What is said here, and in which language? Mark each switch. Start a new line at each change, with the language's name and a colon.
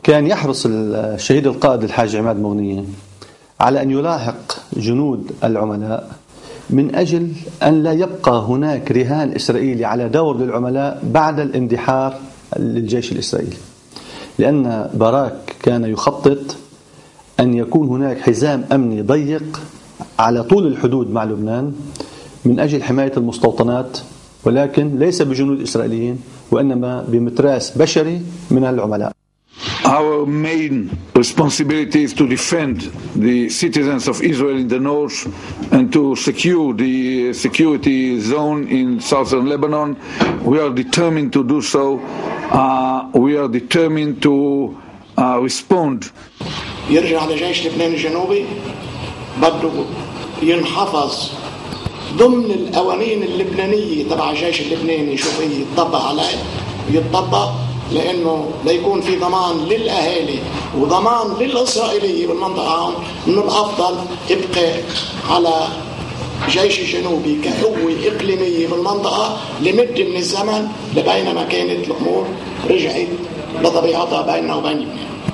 Arabic: كان يحرص الشهيد القائد الحاج عماد مغنية على أن يلاحق جنود العملاء من أجل أن لا يبقى هناك رهان إسرائيلي على دور للعملاء بعد الاندحار للجيش الإسرائيلي، لأن باراك كان يخطط أن يكون هناك حزام أمني ضيق على طول الحدود مع لبنان من أجل حماية المستوطنات، ولكن ليس بجنود إسرائيليين وإنما بمتراس بشري من العملاء.
English: Our main responsibility is to defend the citizens of Israel in the north and to secure the security zone in southern Lebanon. We are determined to do so. We are determined to respond.
Arabic: يرجع لجيش لبنان الجنوبي بده ينحفظ ضمن القوانين اللبنانية تبع الجيش اللبناني، شو هي يتطبق عليه يتطبق، لأنه ليكون في ضمان للأهالي وضمان للإسرائيلية بالمنطقة، من الأفضل يبقى على جيش الجنوبي كقوة إقليمية بالمنطقة لمدة من الزمن لبينما كانت الأمور رجعت لطبيعتها بيننا وبين لبنان.